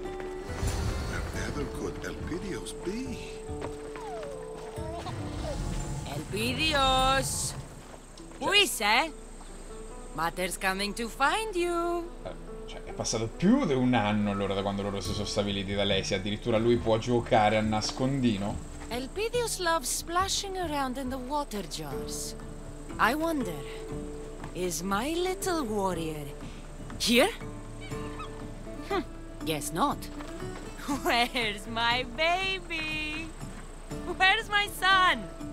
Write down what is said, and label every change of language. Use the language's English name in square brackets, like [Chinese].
[English] Wherever could Elpidios be? Elpidios! Cioè, we say, Mother's coming to find you! [Italian] Cioè, è passato più di un anno allora da quando loro si sono stabiliti da lei, se addirittura lui può giocare a nascondino. [English] Elpidios loves splashing around in the water jars. I wonder, is my little warrior here? Guess not. Where's my baby? Where's my son?